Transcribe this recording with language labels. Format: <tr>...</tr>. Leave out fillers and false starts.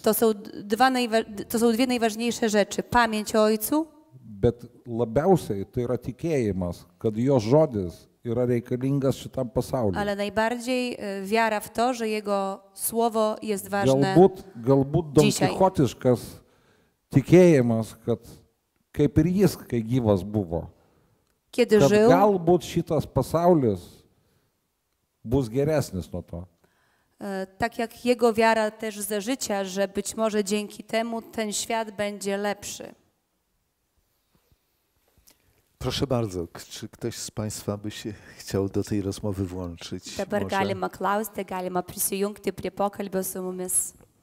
<pl>To są dwie najważniejsze rzeczy. Pamięć o ojcu.</pl> <lt>Bet labiausiai to yra tikėjimas, kad jo žodis yra reikalingas šitam pasauliu.</lt> <pl>Ale najbardziej wiara w to, że jego słowo jest ważne.</pl> <lt>Galbūt Don Kichotiškas tikėjimas, kad kaip ir jis, kai gyvas buvo.</lt> <pl>Kiedy žil,</pl> <lt>galbūt šitas pasaulis bus geresnis nuo to.</lt> <pl>Tak jak jego wiara też ze życia, że być może dzięki temu ten świat będzie lepszy. Proszę bardzo, czy ktoś z Państwa by się chciał do tej rozmowy włączyć?</pl> <lt>Dabar galima klausti, galima prisijungti prie pokalbio su mumis.</lt>